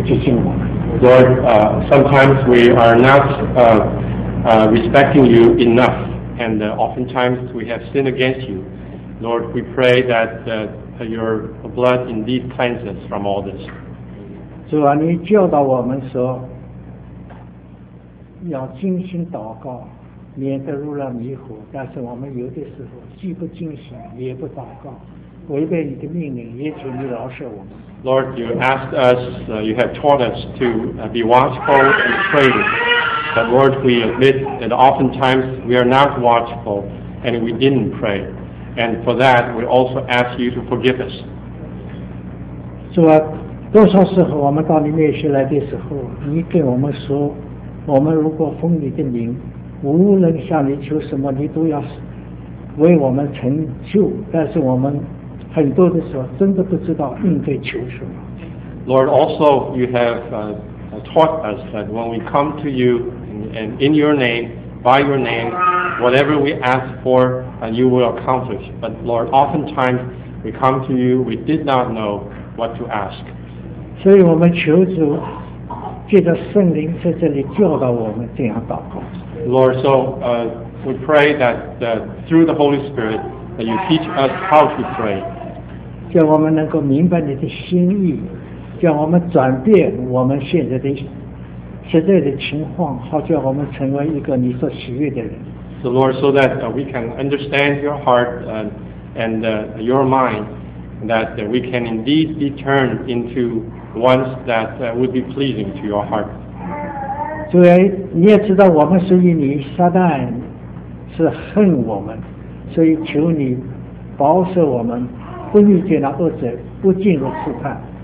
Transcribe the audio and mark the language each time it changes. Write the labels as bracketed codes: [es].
[en] Lord, sometimes we are not respecting you enough, and oftentimes we have sinned against you. Lord, we pray that your blood indeed cleanses us from all this. [zh] 主啊，你教导我们说，要精心祷告，免得入了迷惑。但是我们有的时候既不精心，也不祷告，违背你的命令，也求你饶恕我们。 [en] Lord, you asked us, you have taught us to be watchful and pray. But Lord, we admit that oftentimes we are not watchful and we didn't pray. And for that, we also ask you to forgive us. [zh] 主啊，多少时候我们到你面前来的时候，你跟我们说，我们如果奉你的名，无论向你求什么，你都要为我们成就。但是我们很多的时候真的不知道应该求什么。 [en] Lord, also you have taught us that when we come to you and in your name, by your name, whatever we ask for, you will accomplish. But Lord, oftentimes we come to you, we did not know what to ask. [zh] 所以我们求主借着圣灵在这里教导我们这样祷告。 [en] Lord, so we pray that through the Holy Spirit that you teach us how to pray. [zh] 叫我们能够明白你的心意，叫我们转变我们现在的情况，好叫我们成为一个你所喜悦的人。 [en] So Lord, so that we can understand your heart and your mind, that we can indeed be turned into ones that would be pleasing to your heart. [zh] 主啊，你也知道我们属于你，撒旦是恨我们，所以求你保守我们。不遇见那恶者，不进入试探。